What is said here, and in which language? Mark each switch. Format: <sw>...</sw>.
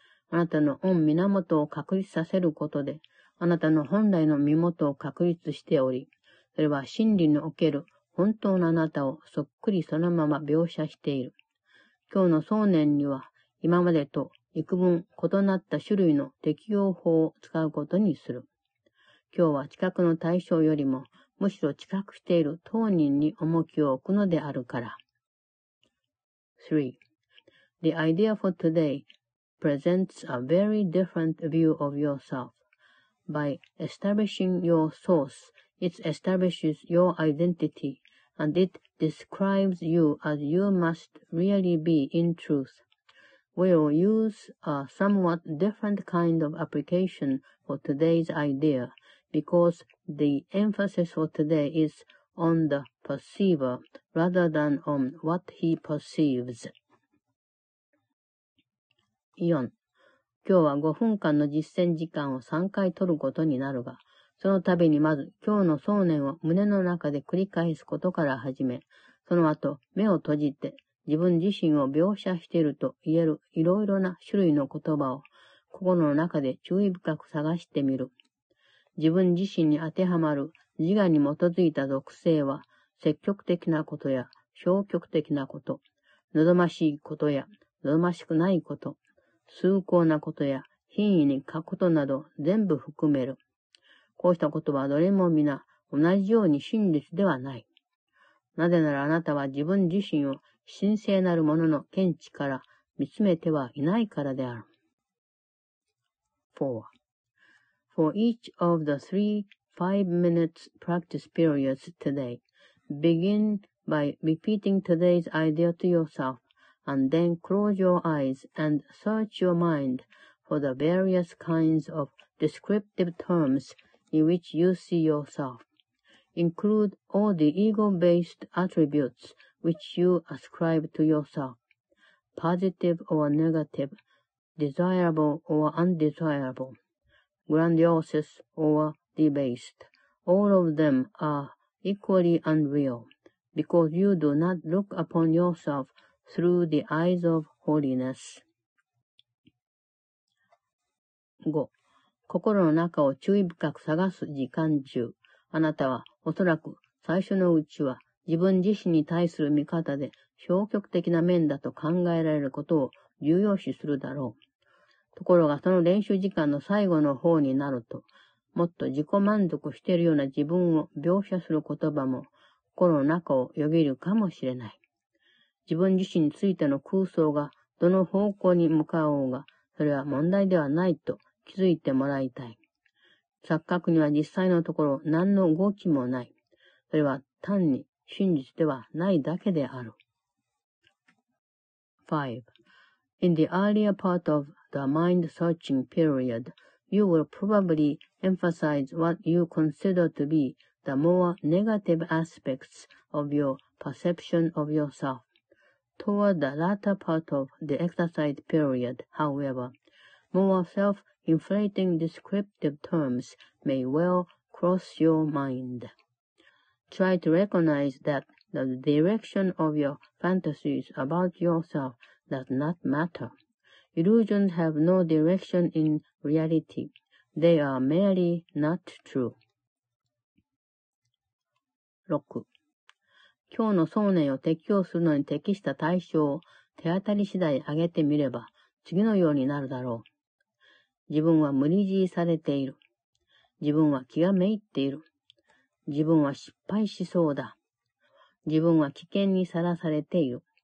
<ja>あなたの御源を確立させることで、あなたの本来の身元を確立しており、それは真理における本当のあなたをそっくりそのまま描写している。今日の想念には今までと幾分異なった種類の適用法を使うことにする。今日は近くの対象よりもむしろ近くしている当人に重きを置くのであるから。 3.</ja> <en>The idea for today presents a very different view of yourself. By establishing your source, it establishes your identity, and it describes you as you must really be in truth. We'll use a somewhat different kind of application for today's idea. Because the emphasis for today is on the perceiver rather than on what he perceives. 4.</en> <ja>今日は5分間の実践時間を3回取ることになるが、その度にまず今日の想念を胸の中で繰り返すことから始め、その後目を閉じて自分自身を描写していると言えるいろいろな種類の言葉を心の中で注意深く探してみる。自分自身に当てはまる自我に基づいた属性は積極的なことや消極的なこと、望ましいことや望ましくないこと、崇高なことや品位に欠くことなど全部含める。こうしたことはどれも皆同じように真実ではない。なぜならあなたは自分自身を神聖なるものの見地から見つめてはいないからである。 4.</ja> <en>For each of the 3 5-minute practice periods today, begin by repeating today's idea to yourself and then close your eyes and search your mind for the various kinds of descriptive terms in which you see yourself. Include all the ego-based attributes which you ascribe to yourself, positive or negative, desirable or undesirable. Grandiosus or debased, all of them are equally unreal, because you do not look upon yourself through the eyes of holiness. 5.</en> <ja>心の中を注意深く探す時間中、あなたはおそらく最初のうちは自分自身に対する見方で消極的な面だと考えられることを重要視するだろう。ところがその練習時間の最後の方になると、もっと自己満足しているような自分を描写する言葉も心の中をよぎるかもしれない。自分自身についての空想がどの方向に向かおうが、それは問題ではないと気づいてもらいたい。錯覚には実際のところ何の動きもない。それは単に真実ではないだけである。 5.</ja> <en>In the earlier part ofThe mind searching period, you will probably emphasize what you consider to be the more negative aspects of your perception of yourself. Toward the latter part of the exercise period, however, more self-inflating descriptive terms may well cross your mind. Try to recognize that the direction of your fantasies about yourself does not matter. Illusions have no direction in reality. They are merely not true. 6.</en> <ja>今日の想念を適用するのに適した対象を手当たり次第挙げてみれば、次のようになるだろう。自分は無理強いされている。自分は気がめいっている。自分は失敗しそうだ。自分は危険にさらされている。</ja>